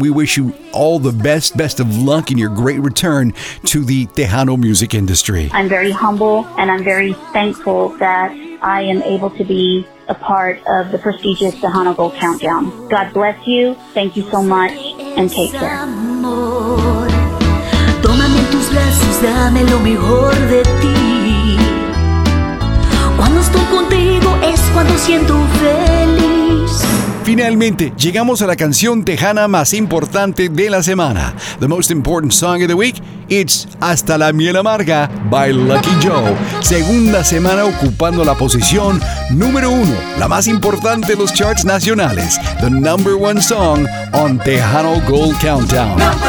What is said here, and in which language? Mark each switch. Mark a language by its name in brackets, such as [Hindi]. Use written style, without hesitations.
[English] We wish you all the best of luck in your great return to the Tejano music industry. I'm very humble and I'm very thankful that I am able to be a part of the prestigious Tejano Gold Countdown. God bless you. Thank you so much and take care. [Spanish] Tómame tus brazos, dame lo mejor de ti. Cuando estoy contigo es cuando siento feliz. Finalmente, llegamos a la canción tejana más importante de la semana. [English] The most important song of the week, it's Hasta la Miel Amarga by Lucky Joe. [Spanish] Segunda semana ocupando la posición número uno, la más importante de los charts nacionales. [English] The number one song on Tejano Gold Countdown.